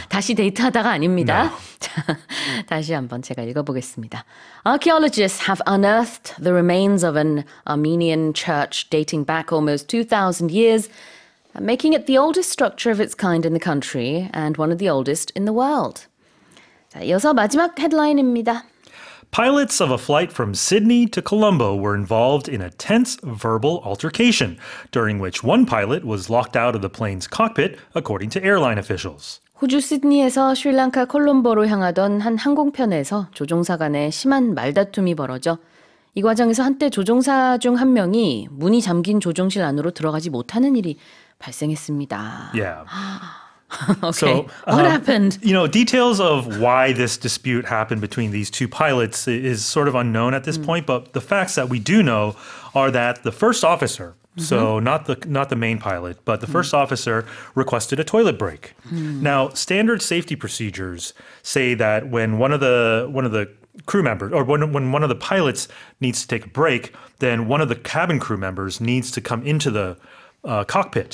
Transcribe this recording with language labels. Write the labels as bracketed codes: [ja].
[ko] 다시 데이트하다가 아닙니다. [en] No. [ko] 다시 한번 제가 읽어보겠습니다. [en] Archaeologists have unearthed the remains of an Armenian church dating back almost 2,000 years, making it the oldest structure of its kind in the country and one of the oldest in the world. [ko] 자, 이어서 마지막 헤드라인입니다. [en] Pilots of a flight from Sydney to Colombo were involved in a tense verbal altercation, during which one pilot was locked out of the plane's cockpit, according to airline officials. [ko] 호주 시드니에서 스리랑카 콜롬보로 향하던 한 항공편에서 조종사 간의 심한 말다툼이 벌어져 이 과정에서 한때 조종사 중한 명이 문이 잠긴 조종실 안으로 들어가지 못하는 일이 발생했습니다. [en] Yeah. Okay. So, What happened? details of why this dispute happened between these two pilots is sort of unknown at this point, but the facts that we do know are that the first officer, so not the main pilot, but the first officer requested a toilet break. Now, standard safety procedures say that when one of the crew members, or when one of the pilots needs to take a break, then one of the cabin crew members needs to come into the cockpit